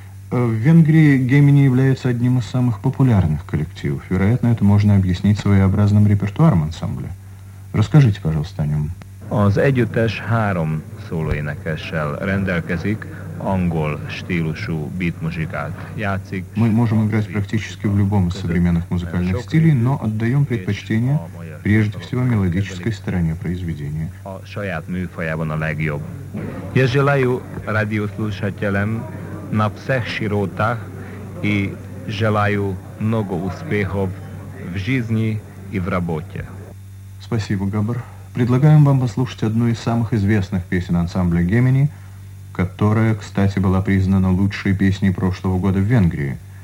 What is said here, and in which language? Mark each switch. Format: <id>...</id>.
<ru>В Венгрии Gemini является одним из самых популярных коллективов. Вероятно, это можно объяснить своеобразным репертуаром ансамбля. Расскажите, пожалуйста, о нем.</ru> <hu>Az együttes három szólóénekessel rendelkezik, angol stílusú beatmuzsikát játszik.</hu> <ru>Мы можем играть практически в любом из современных музыкальных стилей, но отдаем предпочтение прежде всего мелодической стороне произведения.</ru> <hu>A saját műfajában a legjobb.</hu> <ru>Я желаю радиослушателям на всех широтах и желаю много успехов в жизни и в работе. Спасибо, Габор. Предлагаем вам послушать одну из самых известных песен ансамбля Gemini, которая, кстати, была признана лучшей песней прошлого года в Венгрии.</ru>